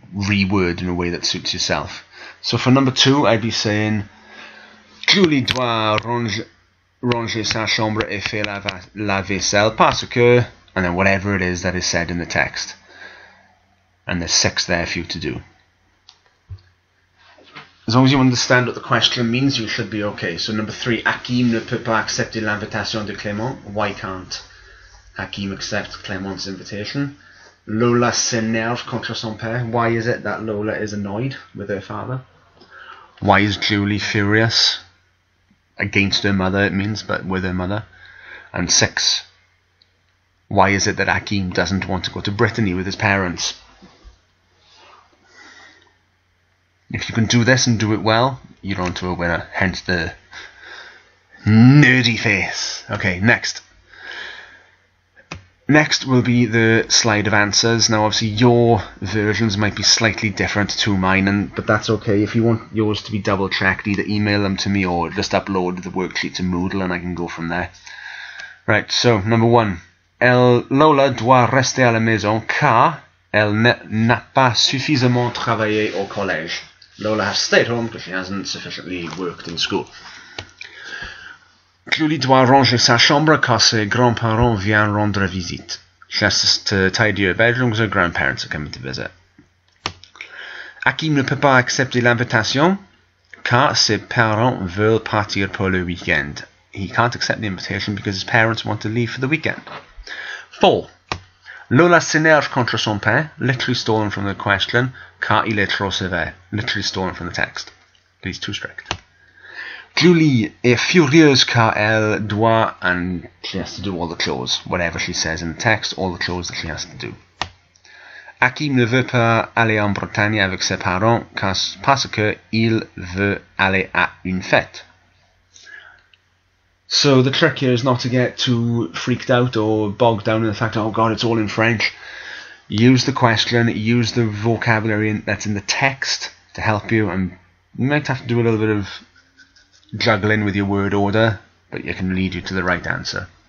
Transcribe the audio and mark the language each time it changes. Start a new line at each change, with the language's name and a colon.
English: Reword in a way that suits yourself. So for number two, I'd be saying,
French: Julie doit ranger sa chambre et faire la vaisselle parce que,
English: and then whatever it is that is said in the text. And there's six there for you to do. As long as you understand what the question means, you should be okay. So number three,
French: Hakim ne peut pas accepter l'invitation de Clément.
English: Why can't Hakim accepts Clément's invitation?
French: Lola s'énerve contre son père.
English: Why is it that Lola is annoyed with her father? Why is Julie furious against her mother, it means, but with her mother? And six, why is it that Hakim doesn't want to go to Brittany with his parents? If you can do this and do it well, you're on to a winner, hence the nerdy face. Okay, next. Next will be the slide of answers. Now, obviously, your versions might be slightly different to mine, but that's okay. If you want yours to be double-checked, either email them to me or just upload the worksheet to Moodle and I can go from there. Right, so number one.
French: Lola doit rester à la maison car elle n'a pas suffisamment travaillé au collège.
English: Lola has stayed home because she hasn't sufficiently worked in school.
French: Julie doit ranger sa chambre car ses grands-parents viennent rendre visite.
English: She has to tidy her bedroom because her grandparents are coming to visit.
French: Hakim ne peut pas accepter l'invitation car ses parents veulent partir pour le week-end.
English: He can't accept the invitation because his parents want to leave for the weekend. 4.
French: Lola s'énerve contre son père,
English: literally stolen from the question,
French: car il est trop sévère,
English: literally stolen from the text. He's too strict.
French: Julie est furieuse car elle doit,
English: and she has to do all the chores, whatever she says in the text, all the chores that she has to do.
French: Hakim ne veut pas aller en Bretagne avec ses parents parce que il veut aller à une fête.
English: So the trick here is not to get too freaked out or bogged down in the fact, oh God, it's all in French. Use the question, use the vocabulary that's in the text to help you, and you might have to do a little bit of juggling with your word order, but it can lead you to the right answer.